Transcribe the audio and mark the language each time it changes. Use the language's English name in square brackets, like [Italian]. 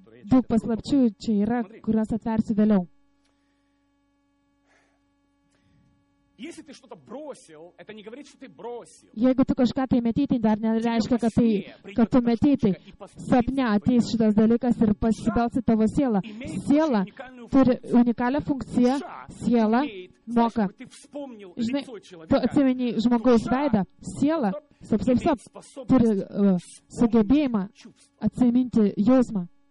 [Lithuanian] Daug paslapčių čia yra, kurios atversiu vėliau. [Russian] Если ты что-то бросил, это не говорит, что ты бросил. [Lithuanian] Jeigu tu kažką tai metei, tai dar nereiškia, kad tu metei. Sapne ateis šitas dalykas ir pasibels į tavo sielą. Siela turi unikalią funkciją. Siela moka. Žinai, tu atsimeni žmogaus veidą. Siela, sap, turi sugebėjimą atsiminti jausmą.